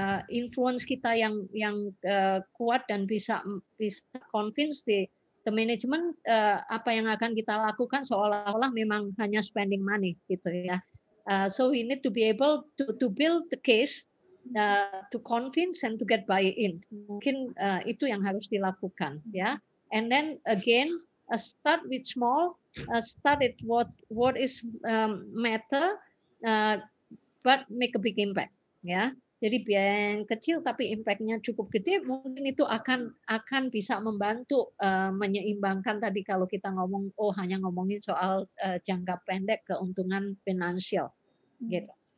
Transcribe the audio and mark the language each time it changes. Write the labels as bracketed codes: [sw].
[id] influence kita yang kuat dan bisa [en] convince the management [id] apa yang akan kita lakukan seolah-olah memang hanya spending money gitu ya. [en] So we need to be able to build the case to convince and to get buy-in. [id] Mungkin itu yang harus dilakukan ya. [en] And then again, start with small, start at what is matter, but make a big impact ya. [id] Jadi biaya yang kecil tapi impact-nya cukup gede, mungkin itu akan bisa membantu menyeimbangkan tadi kalau kita ngomong oh hanya ngomongin soal jangka pendek keuntungan finansial gitu.